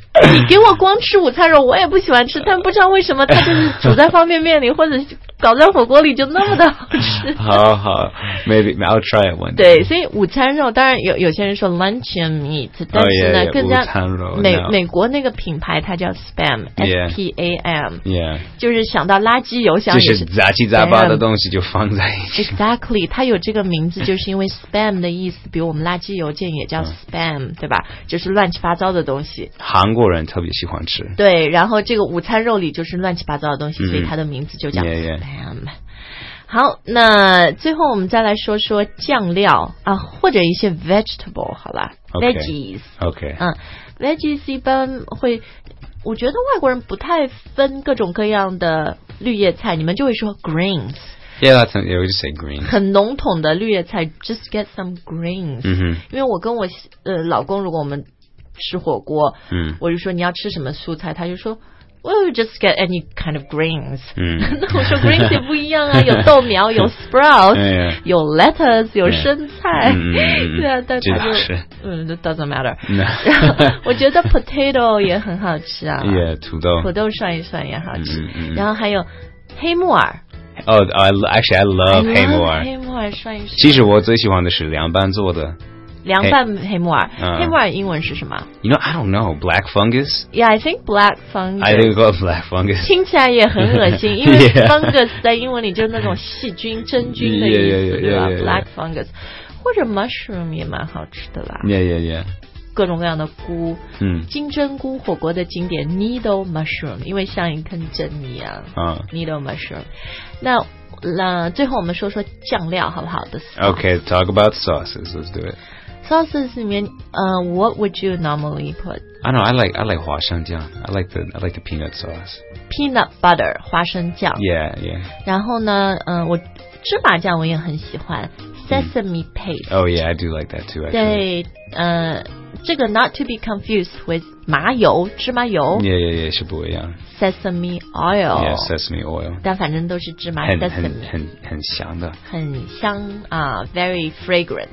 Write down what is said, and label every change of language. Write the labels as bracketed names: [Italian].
[Chinese] 你给我光吃午餐肉，我也不喜欢吃。但不知道为什么，它就是煮在方便面里，或者搞在火锅里，就那么的好吃。好好 [English] ，maybe I'll try it one day. [Chinese] 对，所以午餐肉当然有些人说 lunch meat， 但是呢， [English] oh, yeah, yeah, [Chinese] 更加午餐肉美国那个品牌它叫 spam， S P A M， [English] yeah， [Chinese] 就是想到垃圾邮箱也是，就是杂七杂八的东西就放在一起。 Exactly， 它有这个名字就是因为 spam 的意思，比如我们垃圾邮件也叫 spam， 对吧？就是乱七八糟的东西。韩国人特别喜欢吃。对，然后这个午餐肉里就是乱七八糟的东西，所以它的名字就叫 spam。 [English] Yeah, yeah. [Chinese] 好，那最后我们再来说说酱料啊，或者一些 vegetable 好了 ，veggies。 [English] OK， [Chinese] 嗯 ，veggies 一般会，我觉得外国人不太分各种各样的绿叶菜，你们就会说 greens。 [English] Yeah, that's yeah. We just say greens. [Chinese] 很笼统的绿叶菜 ， [English] just get some greens。嗯， [Chinese] 因为我跟我老公，如果我们吃火锅，嗯，我就说你要吃什么蔬菜，他就说。 [English] Well, just get any kind of greens. [Chinese] 那我说 greens 也不一样啊，有豆苗，有 sprouts, 有 lettuce, 有生菜。对啊，但他就嗯 ， [English] doesn't matter. [Chinese] 我觉得 potato 也很好吃啊。 [English] Yeah, 土豆。 [Chinese] 土豆涮一涮也好吃。然后还有黑木耳。 [English] Oh, actually, I love 黑木耳。 [Chinese] 黑木耳涮一涮。其实我最喜欢的是凉拌做的。凉拌黑木耳，黑木耳英文是什么 [English] ？You know, I don't know. Black fungus. Yeah, I think black fungus. I think it's called black fungus. [Chinese] 听起来也很恶心，因为 fungus 在英文里就是那种细菌、真菌的意思， [English] yeah, yeah, yeah, [Chinese] 对吧 [English] yeah, yeah, yeah. [Chinese] ？Black fungus， 或者 mushroom 也蛮好吃的啦。 [English] Yeah, yeah, yeah. [Chinese] 各种各样的菇，嗯，金针菇火锅的经典 needle mushroom， 因为像一根针一样。 Needle mushroom， 那。最后我们说说酱料好不好 [English] Okay, talk about sauces. Let's do it. Sauces 里面，what would you normally put? I don't know. I like 花生酱 I like the peanut sauce. Peanut butter 花生酱 Yeah, yeah. [Chinese] 然后呢，我芝麻酱我也很喜欢 Sesame paste. [English] Oh yeah, I do like that too. Actually. [Chinese] 对，这个 [English] not to be confused with [Chinese] 麻油芝麻油 yeah yeah yeah 是不一样 [English] sesame oil yeah sesame oil [Chinese] 但反正都是芝麻很香的很香啊 [English] very fragrant